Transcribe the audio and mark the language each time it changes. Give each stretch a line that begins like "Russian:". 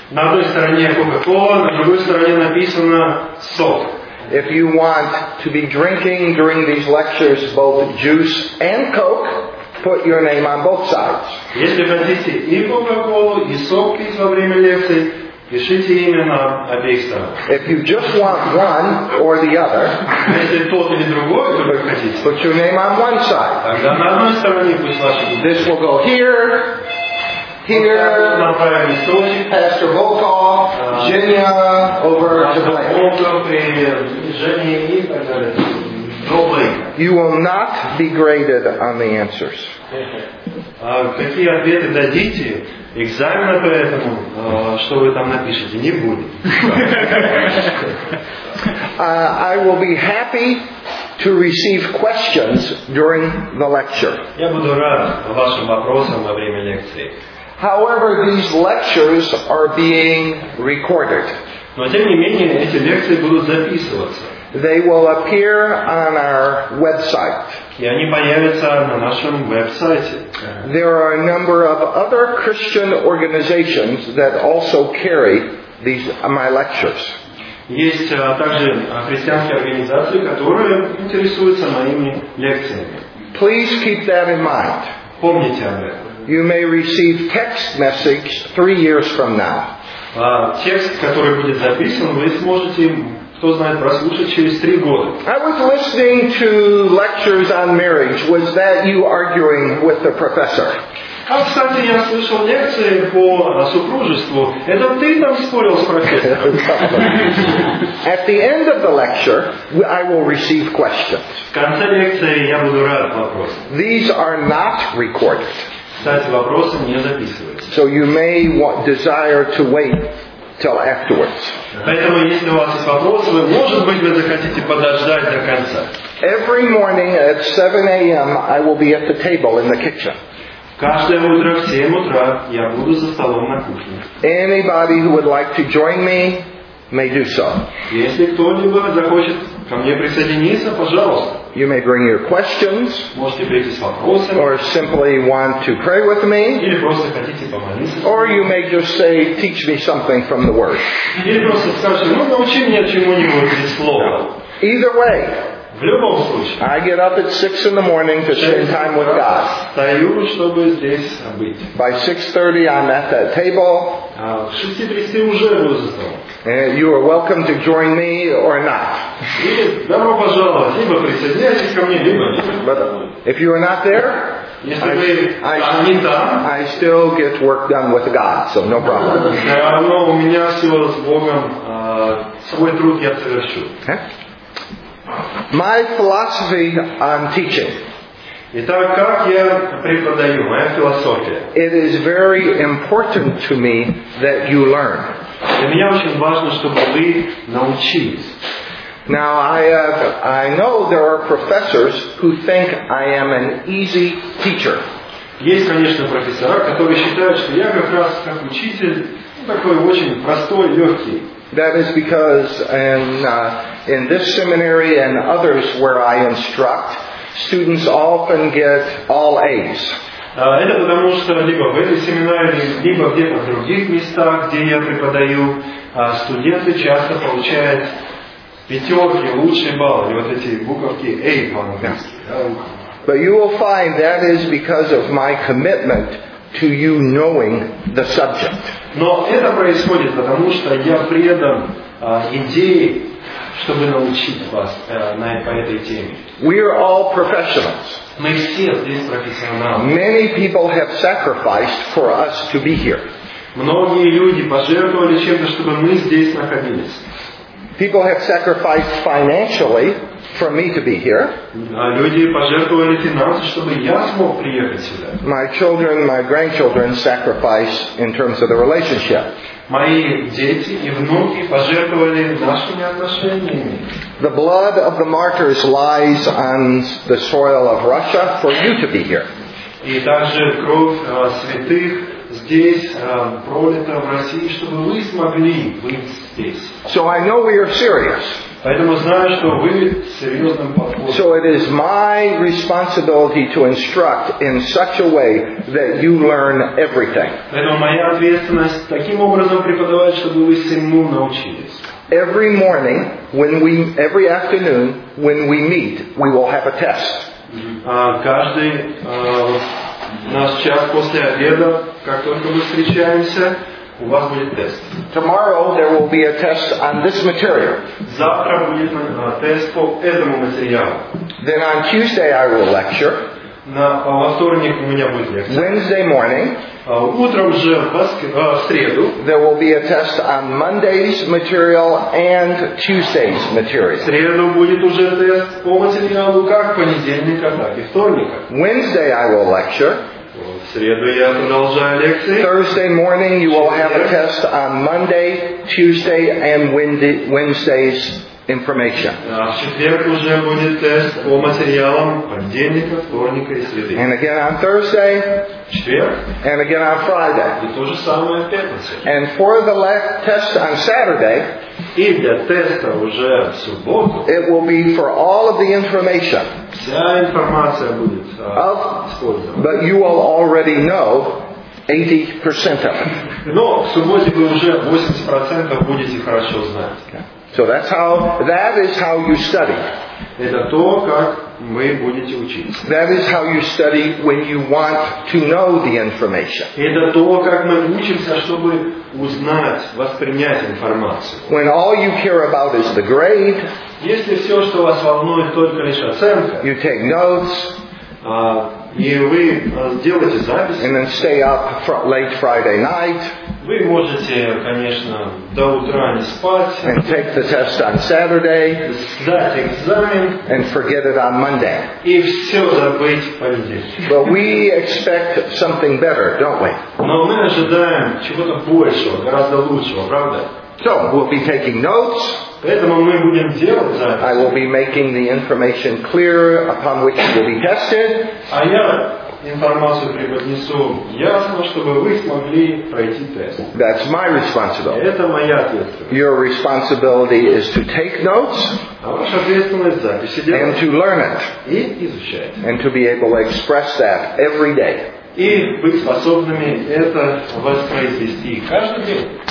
Russian: На одной стороне Coca-Cola, на другой стороне написано сок.
English: If you want to be drinking during these lectures both juice and Coke, put your name on both sides.
Russian: Если хотите и Coca-Cola, и сок пить во время лекции, пишите имя на обеих сторонах.
English: If you just want one or the other,
Russian: если тот или другой, который хотите,
English: put your name on one side.
Russian: Тогда на одной стороне пусть ваше имя.
English: This will go here. Here, Pastor Volkov, Zhenya, over to Blake. You will not be graded on the answers.
Russian: Какие ответы дадите? Экзамена по этому, что вы там напишете, не будет.
English: I will be happy to receive questions during the lecture.
Russian: Я буду рад вашим вопросам во время лекции.
English: However, these lectures are being recorded.
Russian: Но тем не менее эти лекции будут записываться.
English: They will appear on our website.
Russian: И они появятся на нашем веб-сайте.
English: There are a number of other Christian organizations that also carry these my lectures.
Russian: Есть также христианские организации, которые интересуются моими лекциями.
English: Please keep that in mind.
Russian: Помните об этом.
English: You may receive text message 3 years from now.
Russian: Текст, который будет записан, вы сможете, кто знает, прослушать через 3 года.
English: I was listening to lectures on marriage. Was that you arguing with the professor?
Russian: А, кстати, я слышал лекции по супружеству. Это ты там спорил с профессором?
English: At the end of the lecture, I will receive questions.
Russian: В конце лекции я буду рад вопросам.
English: These are not recorded.
Russian: Кстати, вопросы не записываются.
English: So you may desire to wait till afterwards.
Russian: Поэтому, если у вас есть вопросы, вы, может быть, вы захотите подождать до конца.
English: Every morning at 7 a.m. I will be at the table in the kitchen.
Russian: Каждое утро в 7 утра я буду за столом на кухне.
English: Anybody who would like to join me may do so.
Russian: Если кто-либо захочет ко мне присоединиться, пожалуйста.
English: You may bring your questions.
Russian: Можете прийти с вопросами.
English: Or simply want to pray with me.
Russian: Или просто хотите помолиться.
English: Or you may just say, teach me something from the Word.
Russian: Или просто скажите, ну научи меня чему-нибудь из слова.
English: Either way.
Russian: В любом случае.
English: I get up at 6 in the morning to spend time with God.
Russian: Встаю, чтобы здесь быть.
English: By 6:30 I'm at that table.
Russian: В 6:30 уже возле стола.
English: And you are welcome to join me or not.
Russian: Добро пожаловать, либо присоединяйтесь ко мне, либо
English: But if you are not there, I still get work done with God, so no problem.
Russian: Но у меня всего с Богом свой труд я совершу.
English: My philosophy on teaching.
Russian: Итак, как я преподаю, моя философия.
English: It is very important to me that you learn.
Russian: Для меня очень важно, чтобы вы научились.
English: Now I know there are professors who think I am an easy teacher.
Russian: Есть, конечно, профессора, которые считают, что я как раз как учитель такой очень простой, легкий.
English: That is because in this seminary and others where I instruct, students often get all A's.
Russian: Это потому, что либо в этой семинаре, либо где-то в других местах, где я преподаю, студенты часто получают 5-ки, лучшие баллы, вот эти буковки A по-английски.
English: But you will find that is because of my commitment to you knowing the subject.
Russian: Но это происходит потому, что я предан идее, чтобы научить вас по этой теме.
English: We are all professionals.
Russian: Мы все здесь профессионалы.
English: Many people have sacrificed for us to be here.
Russian: Многие люди пожертвовали чем-то, чтобы мы здесь находились.
English: People have sacrificed financially for me to be here.
Russian: Люди пожертвовали финансы, чтобы я смог приехать сюда.
English: My children, my grandchildren sacrifice in terms of the relationship.
Russian: Мои дети и внуки пожертвовали нашими отношениями.
English: The blood of the martyrs lies on the soil of Russia for you to be here.
Russian: И также кровь святых здесь пролита в России, чтобы вы смогли быть здесь.
English: So I know we are serious.
Russian: Поэтому знаю, что вы серьезным подходом.
English: So it is my responsibility to instruct in such a way that you learn everything.
Russian: Поэтому моя ответственность таким образом преподавать, чтобы вы всему научились.
English: Every morning, every afternoon, when we meet, we will have a test.
Russian: Каждый наш час после обеда, как только мы встречаемся, у вас будет тест.
English: Tomorrow there will be a test on this material.
Russian: Завтра будет тест по этому материалу.
English: Then on Tuesday I will lecture.
Russian: Во вторник у меня будет лекция.
English: Wednesday morning.
Russian: Утром же в среду.
English: There will be a test on Monday's material and Tuesday's material.
Russian: В среду будет уже тест по материалу как понедельника, так и вторника.
English: Wednesday I will lecture.
Russian: В среду я продолжаю лекции.
English: Thursday morning you will have a test on Monday, Tuesday, and Wednesday's information. And again on Thursday. And again on Friday. And for the last test on Saturday. It will be for all of the information. Of, but you will already know 80% of it.
Russian: Но в субботе вы уже 80% будете хорошо знать.
English: So that's how, that is how you study.
Russian: Это то, как вы будете учиться.
English: That is how you study when you want to know the information.
Russian: Это то, как мы учимся, чтобы узнать, воспринять информацию.
English: When all you care about is the grade,
Russian: если все, что вас волнует, только лишь оценка,
English: you take notes,
Russian: и вы делаете записи,
English: and then stay up late Friday night,
Russian: вы можете, конечно, до утра не спать,
English: and take the test on Saturday,
Russian: сдать экзамен,
English: and forget it on Monday.
Russian: И все забыть в понедельник.
English: But we expect something better, don't we?
Russian: Но мы ожидаем чего-то большего, гораздо лучшего, правда?
English: So we'll be taking notes.
Russian: Поэтому мы будем делать записи.
English: I will be making the information clear upon which you will be tested.
Russian: А я информацию преподнесу ясно, чтобы вы смогли пройти тест.
English: That's my responsibility.
Russian: Это моя ответственность.
English: Your responsibility is to take notes.
Russian: А ваша ответственность записи делать.
English: And to learn it.
Russian: И изучать.
English: And to be able to express that every day.
Russian: И быть способными это воспроизвести каждый день.